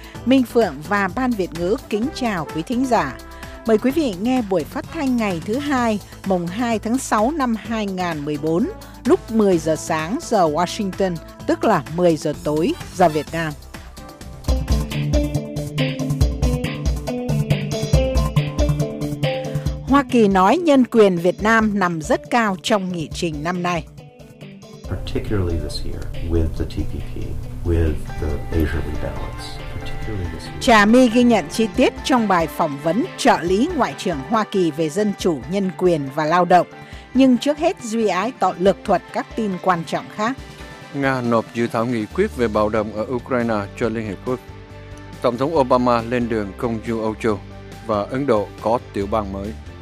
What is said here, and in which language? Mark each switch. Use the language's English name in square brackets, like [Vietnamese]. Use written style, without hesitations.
[Vietnamese] Minh Phượng và Ban Việt Ngữ kính chào quý thính giả. Mời quý vị nghe buổi phát thanh ngày thứ Hai, mùng 2 tháng 6 năm 2014, lúc 10 giờ sáng giờ Washington, tức là 10 giờ tối giờ Việt Nam. Hoa Kỳ nói nhân quyền Việt Nam nằm rất cao trong nghị trình năm nay. [English] Particularly this year with the TPP, with the Asia rebalance. [Vietnamese] Trà My ghi nhận chi tiết trong bài phỏng vấn trợ lý Ngoại trưởng Hoa Kỳ về dân chủ, nhân quyền và lao động. Nhưng trước hết Duy Ái tỏ lược thuật các tin quan trọng khác. Nga nộp dự thảo nghị quyết về bạo động ở Ukraine cho Liên Hiệp Quốc. Tổng thống Obama lên đường công du Âu Châu và Ấn Độ có tiểu bang mới.